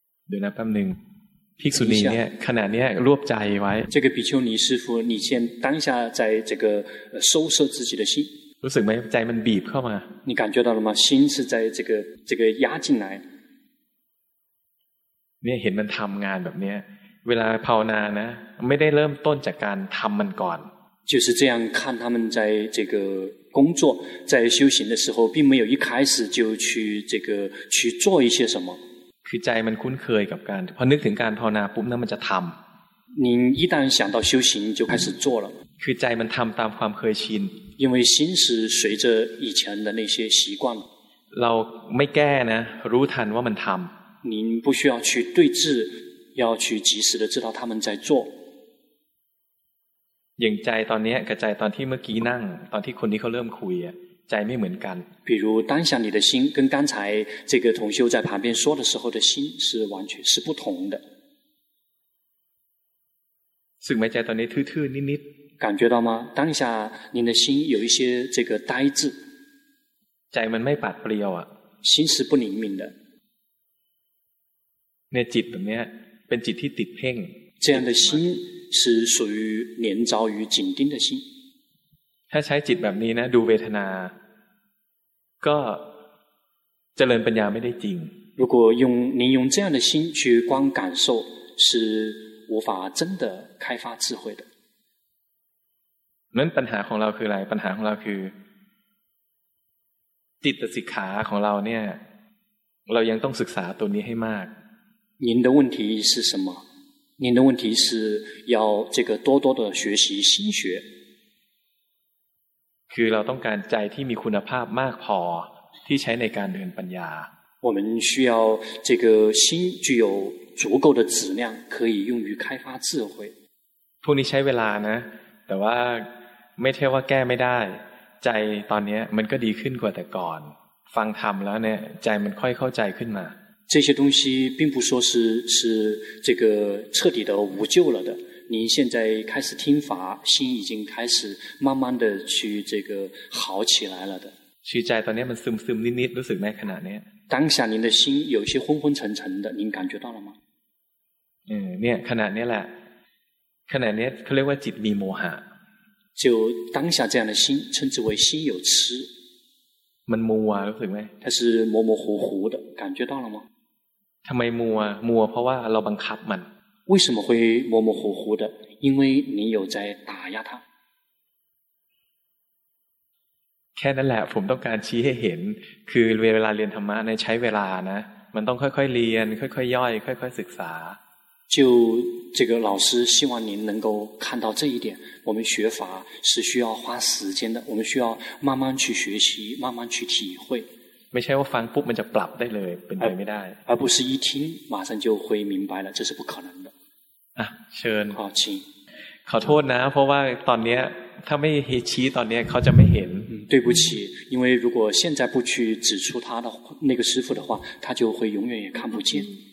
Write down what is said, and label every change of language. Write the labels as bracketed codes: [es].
[zh] 对那半年 [th] ภิกษุณีเนี่ยขณะนี้รวบใจไว้ [zh] 这个比丘尼师父你先当下在这个收摄自己的心 [th] รู้สึกไหมใจมันบีบเข้ามา [zh] 你感觉到了吗心是在这个压进来 [th] เนี่ยเห็นมันทำงานแบบเนี้ยเวลาภาวนานะไม่ได้เริ่มต้นจากการทำมันก่อน [zh] 就是这样看他们在这个工作在修行的时候并没有一开始就去这个去做一些什么 [th] คือใจมันคุ้นเคยกับการพอนึกถึงการภาวนาปุ๊บนั้นมันจะทำ [zh] 您一旦想到修行就开始做了 [th] คือใจมันทำตามความเคยชิน [zh] 因为心是随着以前的那些习惯 [th] เราไม่แก้นะรู้ทันว่ามันทำ [zh] 您不需要去对峙要去及时的知道他们在做 [th] อย่างใจตอนนี้กับใจตอนที่เมื่อกี้นั่งตอนที่คนนี้เขาเริ่มคุยใจไม่เหมือนกัน [zh] 比如当下你的心跟刚才这个同修在旁边说的时候的心是完全是不同的是没在到那突突你感觉到吗？当下您的心有一些这个呆滞，在门没把不了啊，心是不灵敏的。那 [th] จิต [zh] 怎么样？本 [th] จิต ที่ติดเพ่ง [zh] 这样的心是属于黏着于紧盯的心。 [th] ถ้าใช้จิตแบบนี้นะดูเวทนาก็เจริญปัญญาไม่ได้จริง [zh] 如果用您用这样的心去观感受，是无法真的开发智慧的。 [th] นั้นปัญหาของเราคืออะไรปัญหาของเราคือจิตสิกขาของเราเนี่ยเรายังต้องศึกษาตัวนี้ให้มาก [zh] 您的问题是什么？您的问题是要这个多多的学习心学。 [th] คือเราต้องการใจที่มีคุณภาพมากพอที่ใช้ในการเดินปัญญา [zh] 我们需要这个心具有足够的质量，可以用于开发智慧。 [th] พวกนี้ใช้เวลานะแต่ว่าไม่ใช่ว่าแก้ไม่ได้ใจตอนนี้มันก็ดีขึ้นกว่าแต่ก่อนฟังธรรมแล้วเนี่ยใจมันค่อยเข้าใจขึ้นมา [zh] 这些东西并不说是这个彻底的无救了的。您现在开始听法，心已经开始慢慢的去这个好起来了的。去在 [th] ตอนนี้มันซึมนิดรู้สึกไหมขณะนี้ [zh] 当下您的心有些昏昏沉沉的，您感觉到了吗？ [th] เนี่ยขณะนี้แหละขณะนี้เขาเรียกว่าจิตมีโมหะ [zh] 就当下这样的心称之为心有痴。 [th] มันมัวรู้สึกไหม [zh] 它是模模糊糊的感觉到了吗 [th] ทำไมมัวมัวเพราะว่าเราบังคับมัน [zh] 为什么会模模糊糊的因为你有在打压它 [th] แค่นั้นแหละผมต้องการชี้ให้เห็นคือเวลาเรียนธรรมะในใช้เวลานะมันต้องค่อยๆเรียนค่อยๆย่อยค่อยๆศึกษา [zh] 就这个老师希望您能够看到这一点我们学法是需要花时间的我们需要慢慢去学习慢慢去体会 [th] ไม่ใช่ว่าฟังปุ๊บมันจะปรับได้เลยเป็นไปไม่ได้ [zh] 而不是一听马上就会明白了这是不可能的 [th] เชิญ ขอ โทษนะเพราะว่าตอนนี้ถ้าไม่ชี้ตอนนี้เขาจะไม่เห็น [zh] 对不起因为如果现在不去指出他的那个师父的话他就会永远也看不见